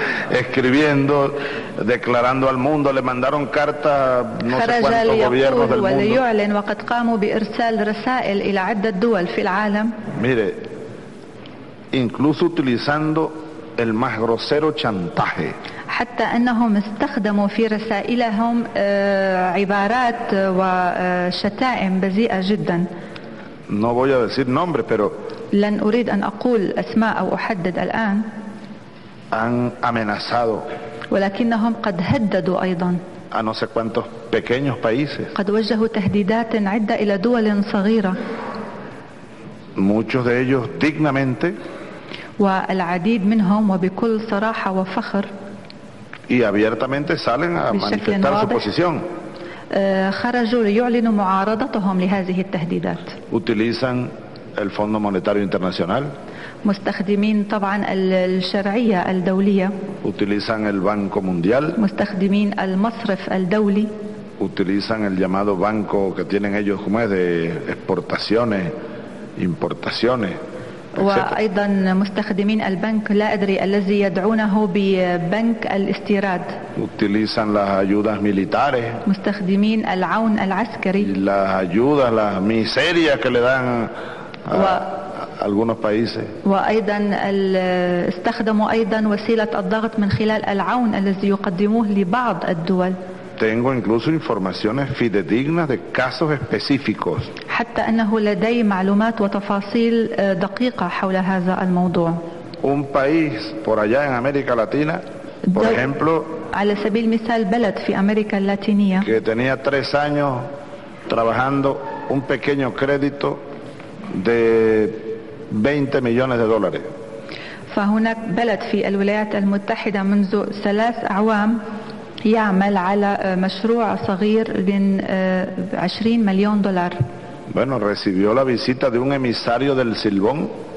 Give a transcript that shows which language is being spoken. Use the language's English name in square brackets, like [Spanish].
[Spanish] Escribiendo, declarando al mundo, le mandaron cartas no sé cuántos gobiernos del mundo. Mire, incluso utilizando el más grosero chantaje. [Arabic] حتى أنهم استخدموا في رسائلهم عبارات وشتائم بذيئة جدا. [Spanish] No voy a decir nombres, pero [Arabic] لن أريد أن أقول أسماء أو أحدد الآن. [Spanish] Han amenazado. [Arabic] ولكنهم قد هددوا أيضا. [Spanish] A no sé cuántos pequeños países. [Arabic] قد وجهوا تهديدات عدة إلى دول صغيرة. [Spanish] Muchos de ellos dignamente. [Arabic] والعديد منهم وبكل صراحة وفخر. [Spanish] Y abiertamente salen a manifestar su posición. [Arabic] خرجوا ليعلنوا معارضتهم لهذه التهديدات. [Spanish] Utilizan el Fondo Monetario Internacional. [Arabic] مستخدمين طبعا الشرعية الدولية. [Spanish] Utilizan el Banco Mundial. [Arabic] مستخدمين المصرف الدولي. [Spanish] Utilizan el llamado banco que tienen ellos como es de exportaciones, importaciones. [Arabic] وأيضا مستخدمين البنك لا أدري الذي يدعونه ببنك الاستيراد. [Spanish] Utilizan las ayudas militares. [Arabic] مستخدمين العون العسكري. [Spanish] Las ayudas, las miserias que le dan a algunos países. [Arabic] وأيضا استخدموا أيضا وسيلة الضغط من خلال العون الذي يقدموه لبعض الدول. [Spanish] Tengo incluso informaciones fidedignas de casos específicos. [Arabic] حتى أنه لدي معلومات وتفاصيل دقيقة حول هذا الموضوع. [Spanish] Un país por allá en América Latina, por ejemplo. [Arabic] على سبيل المثال بلد في أمريكا اللاتينية. [Spanish] Que tenía tres años trabajando un pequeño crédito de 20 millones de dólares. [Arabic] فهناك بلد في الولايات المتحدة منذ ثلاث أعوام. يعمل على مشروع صغير من 20 مليون دولار. [Spanish] Bueno, recibió la visita de un emisario del Silbón.